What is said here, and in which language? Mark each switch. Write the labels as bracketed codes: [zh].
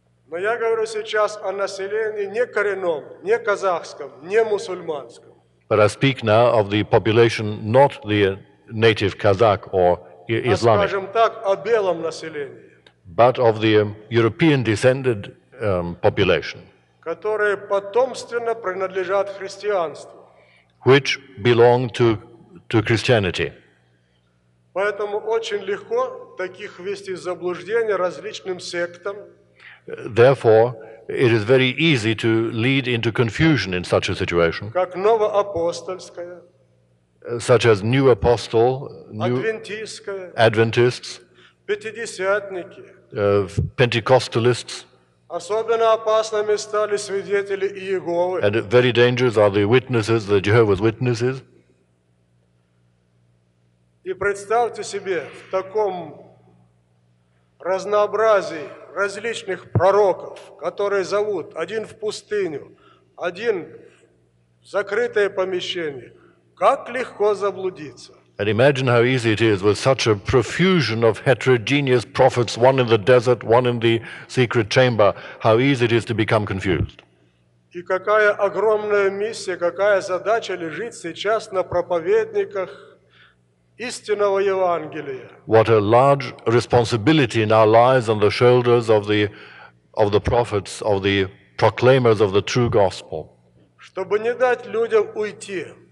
[ru] Но я говорю сейчас о населении не коренном, не казахском, не мусульманском. [en] But I speak now of the population, not the native Kazakh or Islamic, [ru] а, скажем так, о белом населении, [en] but of the European descended population, [ru] которые потомственно принадлежат христианству, [en] which belong to Christianity. [ru] Поэтому очень легко таких ввести в заблуждение различным сектам. [en] Therefore, it is very easy to lead into confusion in such a situation. [ru] Как новоапостольская, [en] such as new apostle, new Adventists, Pentecostalists. [ru] Особенно опасными стали свидетели Иеговы. [en] And very dangerous are the witnesses, the Jehovah's Witnesses. [ru] И представьте себе в таком разнообразии различных пророков, которые зовут один в пустыню, один в закрытое помещение. Как легко заблудиться. [en] And imagine how easy it is with such a profusion of heterogeneous prophets, one in the desert, one in the secret chamber, how easy it is to become confused. [ru] И какая огромная миссия, какая задача лежит сейчас на проповедниках истинного Евангелия. [en] What a large responsibility now lies on the shoulders of the prophets, of the proclaimers of the true gospel. [ru] Чтобы не дать людям уйти.